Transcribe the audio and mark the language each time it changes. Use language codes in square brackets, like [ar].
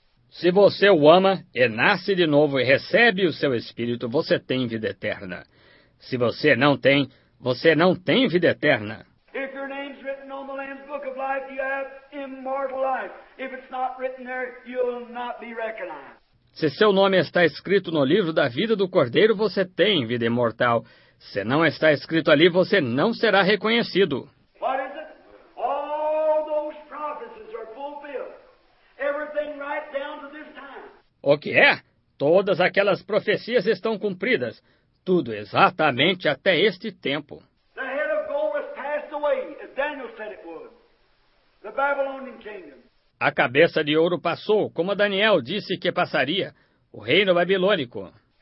[pt] Se você o ama e nasce de novo e recebe o seu Espírito, você tem vida eterna. Se você não tem, você não tem vida eterna. [en] If your name's written on the Lamb's Book of Life, you have immortal life. If it's not written there, you'll not be recognized. [pt] Se seu nome está escrito no livro da vida do Cordeiro, você tem vida imortal. Se não está escrito ali, você não será reconhecido. [en] What is it? All those prophecies are fulfilled. Everything right down to this time. [pt] O que é? Todas aquelas profecias estão cumpridas. Tudo exatamente até este tempo. [en] The head of gold has passed away, as Daniel said it would. The Babylonian kingdom. [pt] A cabeça de ouro passou, como Daniel disse que passaria, o reino babilônico.